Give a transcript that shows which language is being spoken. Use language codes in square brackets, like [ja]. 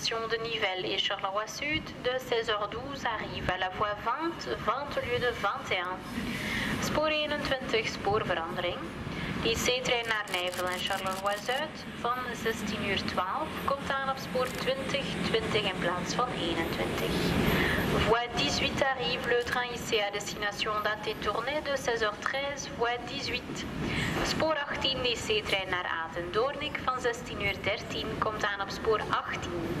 [fr] De Nivelles et Charleroi Sud de 16:12 arrive à la voie 20, 20 au lieu de 21. [nl] Spoor 21, spoorverandering. Die C-trein naar Nivelles en Charleroi Zuid van 16:12 komt aan op spoor 20, 20 in plaats van 21. [fr] Voie 18 arrive, le train IC à destination d'Athée Tournai de 16:13, voie 18. [nl] Spoor 18, die C-trein naar Aden-Doornik van 16:13 komt aan op spoor 18.